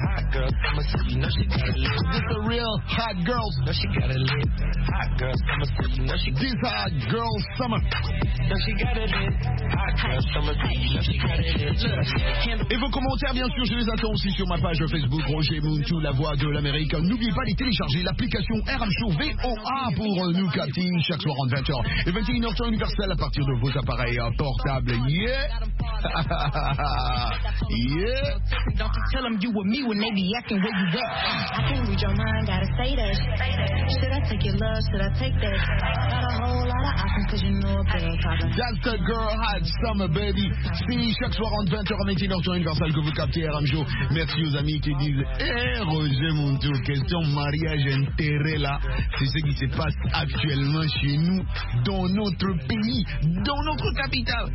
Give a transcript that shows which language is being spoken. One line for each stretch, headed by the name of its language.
English: hot girl, summer, so you know she got it lit. This a real hot girl. No, she got it lit. Hot girl, summer, so you know she got it lit. This hot girl, summer. No, she got it lit. Hot girl, summer, so you know she got it lit.
French: Et vos commentaires, bien sûr, je les attends aussi sur ma page Facebook, Roger Moutou, la voix de l'Amérique. N'oubliez pas de télécharger l'application RM Show VOA pour nous capter chaque soir entre 20h et 21h temps universel à partir de vos appareils portables.
English: Yeah! Yeah! Don't you tell them you with me when they be acting where you at. I can't read your mind, gotta say that. Should I take your love, should I take that? Got a whole lot of options cause you know a girl talking. That's a girl hot summer, baby.
French: Fini chaque soir entre 20h et 21h temps universel que vous captez RM Show. Merci aux amis qui disent Roger Moutou, question mariage intérêt là. C'est ce qui se passe actuellement chez nous, dans notre pays, dans notre capitale.